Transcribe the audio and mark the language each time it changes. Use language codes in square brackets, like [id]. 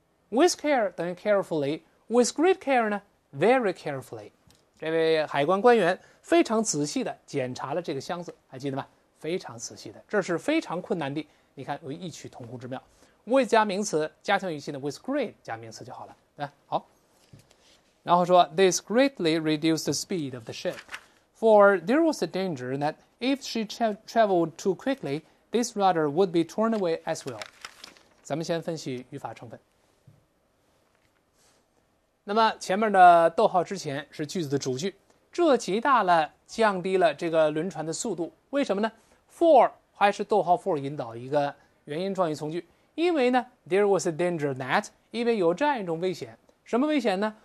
[en] With care [zh] 等于 [en] carefully， with great care 呢 very carefully。 [zh] 这位海关官员非常仔细的检查了这个箱子，还记得吗？非常仔细的，这是非常困难的。你看有异曲同工之妙。With 加名词，加强语气呢 ？With great 加名词就好了。来，好。然后说 [en] ，This greatly reduced the speed of the ship, for there was a danger that if she traveled too quickly, this rudder would be torn away as well。 [zh] 咱们先分析语法成分。那么前面的逗号之前是句子的主句，这极大了降低了这个轮船的速度。为什么呢 ？For 还是逗号 for 引导一个原因状语从句，因为呢 ， [en] there was a danger that， [zh] 因为有这样一种危险，什么危险呢？